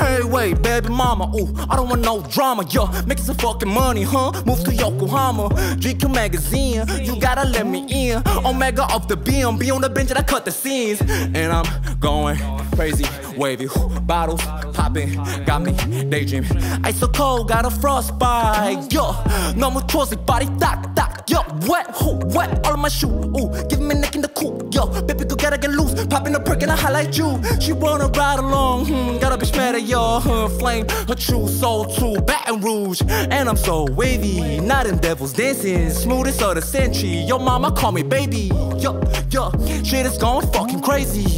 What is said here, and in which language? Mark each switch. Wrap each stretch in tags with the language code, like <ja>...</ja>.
<en>Wait, baby mama, ooh, I don't want no drama, yo. Make some fucking money, huh? Move to Yokohama, GQ magazine. You gotta let me in. Omega off the beam, be on the bench and I cut the scenes. And I'm going crazy, wavy. Bottles popping, got me daydreaming. Ice so cold, got a frostbite, yo.</en> <ko>너무 추워서 발이 딱딱, yo.</ko> <en>Wet, who, wet, all of my shoe, ooh. Give me neck in the cool, yo. Baby, go gotta get loose. Popping a perk and I highlight you. She wanna ride along, gotta be smarter, yo. Her flame, her true soul too, Baton Rouge. And I'm so wavy, not in devil's dancing. Smoothest of the century, your mama call me baby. Yo, yo, shit is going fucking crazy.</en>